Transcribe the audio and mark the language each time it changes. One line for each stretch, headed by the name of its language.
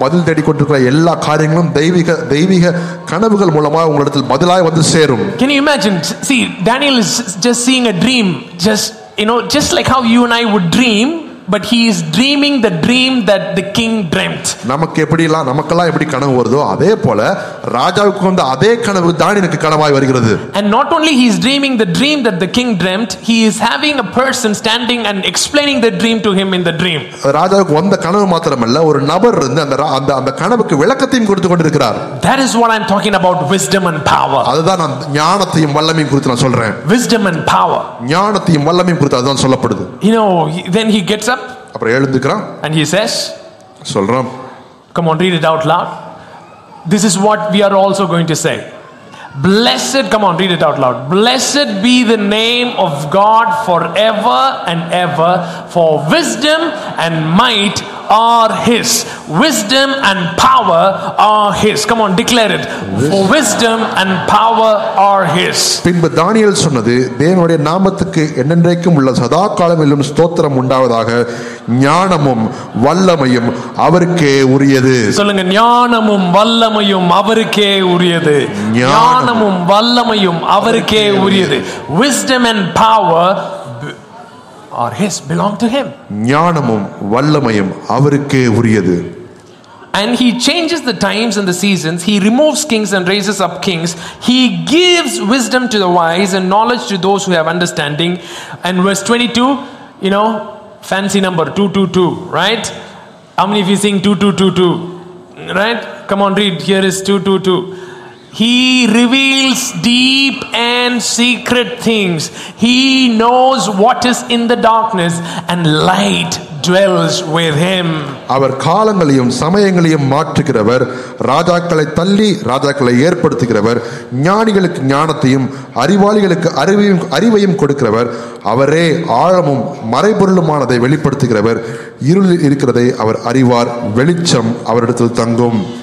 Tamil: பதில் தேடி கொண்டிருக்கிற எல்லா காரியங்களும் தெய்வீக கனவுகள் மூலமாக உங்களிடத்தில் பதிலாக வந்து சேரும்.
English: Can you imagine? See, Daniel is just seeing a dream, just like how you and I would dream. But he is dreaming the dream that the king dreamt.
Tamil: நமக்கு எப்படிலாம் நமக்கெல்லாம் எப்படி கனவு வருதோ அதே போல ராஜாவுக்கு வந்த அதே கனவு தானியேலுக்கு கனவாய் வருகிறது.
English: And not only he is dreaming the dream that the king dreamt, he is having a person standing and explaining the dream to him in the dream.
Tamil: ராஜாவுக்கு வந்த கனவு மட்டுமல்ல, ஒரு நபர் இருந்து அந்த கனவுக்கு விளக்கத்தையும் கொடுத்து கொண்டிருக்கிறார்.
English: That is what I'm talking about, wisdom and power.
Tamil: அதுதான் நான் ஞானத்தையும் வல்லமையும் குறித்து நான் சொல்றேன்.
English: Wisdom and power.
Tamil: ஞானத்தையும் வல்லமையும் குறித்து அதான் சொல்லப்படுது.
English: You know, then he gets up.
Tamil: அப்புறம் எழுந்துக்கிறான்.
English: And he says,
Tamil: சொல்றோம்.
English: Come on, read it out loud. This is what we are also going to say. Blessed, come on, read it out loud. Blessed be the name of God forever and ever, for wisdom and might are his. Wisdom and power are his. Come on, declare it. For wisdom and power are his.
Tamil: பின்பு தானியேல் சொன்னது, தேவனுடைய நாமத்துக்கு என்றென்றைக்கும் உள்ள சதா காலமெல்லும் ஸ்தோத்திரம் உண்டாவதாக, ஞானமும் வல்லமையும் அவருக்கே உரியது. சொல்லுங்க, ஞானமும் வல்லமையும் அவருக்கே உரியது. ஞானமும் வல்லமையும் அவருக்கே உரியது.
English: Wisdom and power are his, belong to him.
Tamil: ஞானமும் வல்லமையும் அவருக்கே உரியது.
English: And he changes the times and the seasons. He removes kings and raises up kings. He gives wisdom to the wise and knowledge to those who have understanding. And verse 22, you know, fancy number 222, right? How many of you sing 2222? Right? Come on, read. Here is 222. He reveals deep and secret things. He knows what is in the darkness, and light dwells with him.
Tamil: அவர் காலங்களையும் சமயங்களையும் மாற்றுகிறவர், ராஜாக்களை தள்ளி ராஜாக்களை ஏற்படுத்துகிறவர், ஞானிகளுக்கு ஞானத்தையும் அறிவாளிகளுக்கு அறிவையும் கொடுக்கிறவர், அவரே ஆழமும் மறைபொருளுமானதை வெளிப்படுத்துகிறவர், இருளில் இருக்கிறதை அவர் அறிவார், வெளிச்சம் அவரிடத்தில் தங்கும்.